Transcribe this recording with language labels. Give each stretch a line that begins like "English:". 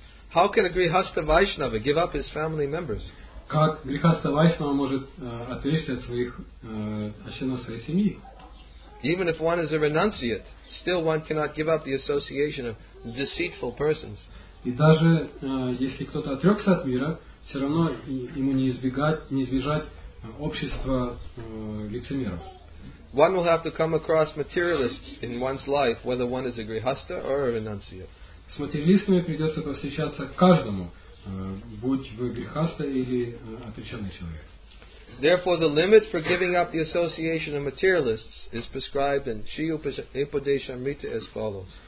English: How can a grihastha Vaishnava give up his family members?
Russian: Как грихастха Вайшнава может отречься от своих членов своей семьи?
English: Even if one is a renunciate, still one cannot give up the association of deceitful persons.
Russian: И даже если кто-то отрекся от мира, все равно ему не избежать общества лицемеров.
English: One will have to come across materialists in one's life, whether one is a grihastha or a renunciate.
Russian: С материалистами придется повстречаться каждому, будь вы грехаста или отреченный человек.
English: Therefore, the limit for giving up the association of materialists is prescribed in Shri Upadeshamrita as follows.